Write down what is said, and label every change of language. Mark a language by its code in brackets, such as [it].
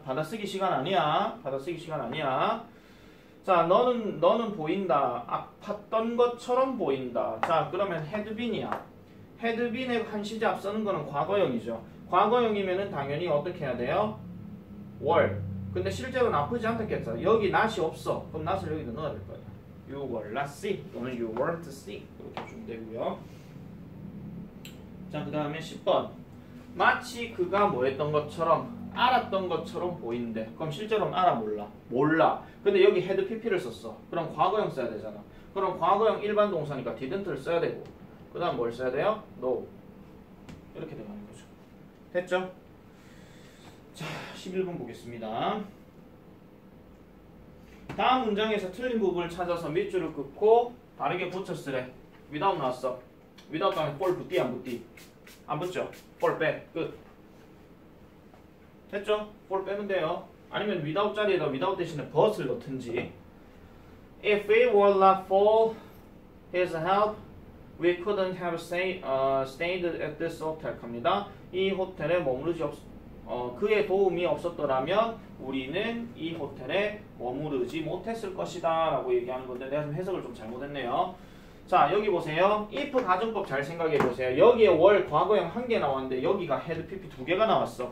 [ko] 받아쓰기 시간 아니야. 받아쓰기 시간 아니야. 자, 너는 보인다. 아팠던 것처럼 보인다. 자, 그러면 had been이야. had been의 한 시제 앞 서는 거는 과거형이죠. 과거형이면은 당연히 어떻게 해야 돼요? were. 근데 실제로는 아프지 않겠죠. 여기 not이 없어. 그럼 not을 여기다 넣어야 될 거야. [en] You were not sick 또는 you weren't sick 이렇게 주면 되고요. [ko] 자, 그 다음에 10번. 마치 그가 뭐 했던 것처럼, 알았던 것처럼 보이는데. 그럼 실제로는 알아, 몰라? 몰라. 근데 여기 had pp를 썼어. 그럼 과거형 써야 되잖아. 그럼 과거형 일반 동사니까 didn't를 써야 되고, 그 다음 뭘 써야 돼요? no 이렇게 되는 거죠. 됐죠? 자, 11번 보겠습니다. 다음 문장에서 틀린 부분을 찾아서 밑줄을 긋고 다르게 붙여 쓰래. without 나왔어. without 다음에 볼 붙디 안 붙디? 안 붙죠? 볼 빼. 끝. 됐죠? 볼 빼면 돼요. 아니면 without 자리에다 without 대신에 but을 넣든지. [en] If it were not for his help, we couldn't have stayed at this hotel. [ko] 갑니다. 이 호텔에 머무르지 없... 그의 도움이 없었더라면 우리는 이 호텔에 머무르지 못했을 것이다 라고 얘기하는 건데 내가 좀 해석을 좀 잘못했네요. 자, 여기 보세요. if 가정법 잘 생각해 보세요. 여기에 월 과거형 한 개 나왔는데 여기가 had pp 두 개가 나왔어.